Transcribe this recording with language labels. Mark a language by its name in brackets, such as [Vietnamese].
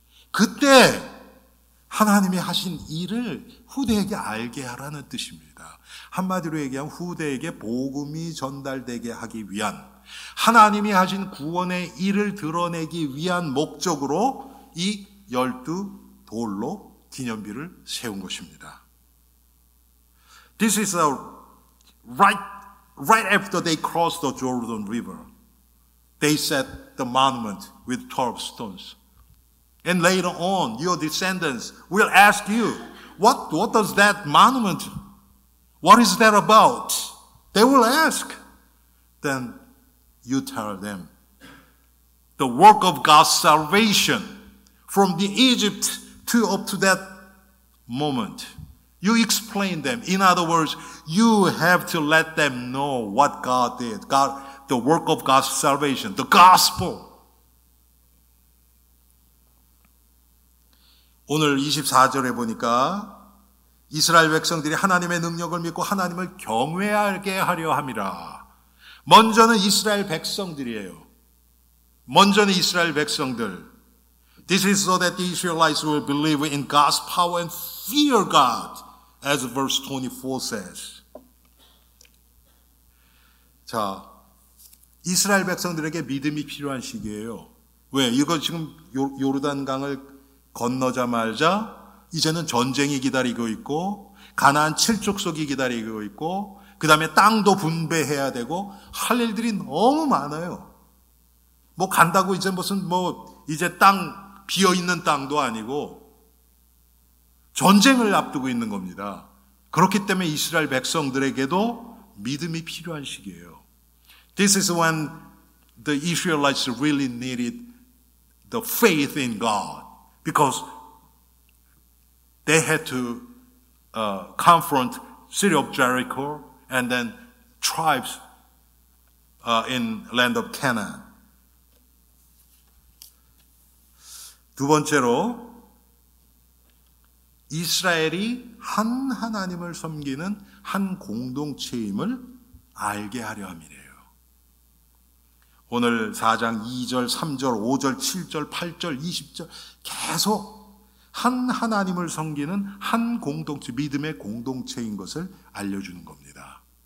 [Korean] 그때 하나님이 하신 일을 후대에게 알게 하라는 뜻입니다. 한마디로 얘기하면 후대에게 복음이 전달되게 하기 위한 하나님이 하신 구원의 일을 드러내기 위한 목적으로 이 열두 돌로 기념비를 세운 것입니다. [English] This is a right after they crossed the Jordan River. They set the monument with 12 stones. And later on, your descendants will ask you, what does that monument mean? What is that about? They will ask. Then you tell them. The work of God's salvation from the Egypt to up to that moment. You explain them. In other words, you have to let them know what God did. God, the work of God's salvation. The gospel. [Korean] 오늘 24절에 보니까 이스라엘 백성들이 하나님의 능력을 믿고 하나님을 경외하게 하려 함이라. 먼저는 이스라엘 백성들이에요. 먼저는 이스라엘 백성들. [English] This is so that the Israelites will believe in God's power and fear God, as verse 24 says. [Korean] 자, 이스라엘 백성들에게 믿음이 필요한 시기예요. 왜? 이거 지금 요르단강을 건너자마자 이제는 전쟁이 기다리고 있고 가나안 칠족 속이 기다리고 있고 그 다음에 땅도 분배해야 되고 할 일들이 너무 많아요. 뭐 간다고 이제 무슨 뭐 이제 땅 비어있는 땅도 아니고 전쟁을 앞두고 있는 겁니다. 그렇기 때문에 이스라엘 백성들에게도 믿음이 필요한 시기예요. [English] This is when the Israelites really needed the faith in God because they had to confront city of Jericho and then tribes in land of Canaan. [Korean] 두 번째로 이스라엘이 한 하나님을 섬기는 한 공동체임을 알게 하려 함이래요. 오늘 4장 2절, 3절, 5절, 7절, 8절, 20절 계속 한 하나님을 섬기는 한 공동체, 믿음의 공동체인 것을 알려주는 겁니다.